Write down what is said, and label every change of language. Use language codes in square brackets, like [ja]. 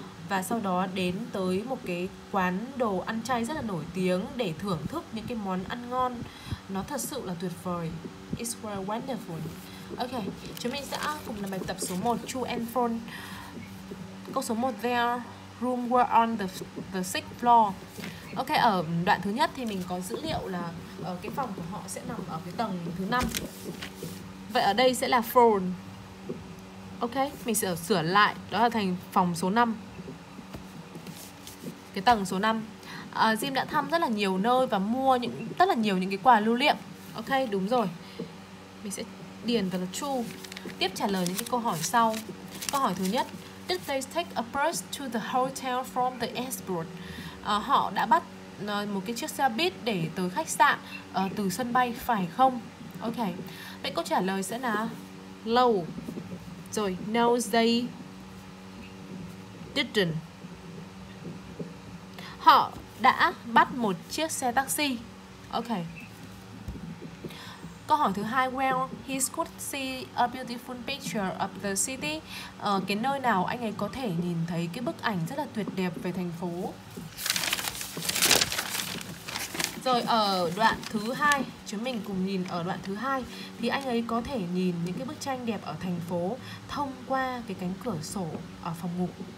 [vi] và sau đó đến tới một cái quán đồ ăn chay rất là nổi tiếng để thưởng thức những cái món ăn ngon. Nó thật sự là tuyệt vời. [en] It's very wonderful. [vi] Ok, chúng mình sẽ cùng làm bài tập số 1, [en] true and false. [vi] Câu số 1, [en] their room were on the sixth floor. [vi] Ok, ở đoạn thứ nhất thì mình có dữ liệu là cái phòng của họ sẽ nằm ở cái tầng thứ 5. Vậy ở đây sẽ là phone. Ok, mình sẽ sửa lại, đó là thành phòng số 5. Cái tầng số 5. Jim đã thăm rất là nhiều nơi và mua những rất là nhiều những cái quà lưu niệm. Ok, đúng rồi. Mình sẽ điền vào là true. Tiếp trả lời những cái câu hỏi sau. Câu hỏi thứ nhất, [en] did they take a bus to the hotel from the airport? [vi] Họ đã bắt một cái chiếc xe buýt để tới khách sạn từ sân bay phải không? Ok, vậy câu trả lời sẽ là no. Rồi, [en] no they didn't. [vi] Họ đã bắt một chiếc xe taxi. Ok. Câu hỏi thứ hai, [en] well, he could see a beautiful picture of the city. [vi] Cái nơi nào anh ấy có thể nhìn thấy cái bức ảnh rất là tuyệt đẹp về thành phố. Rồi ở đoạn thứ hai, chúng mình cùng nhìn ở đoạn thứ hai thì anh ấy có thể nhìn những cái bức tranh đẹp ở thành phố thông qua cái cánh cửa sổ ở phòng ngủ.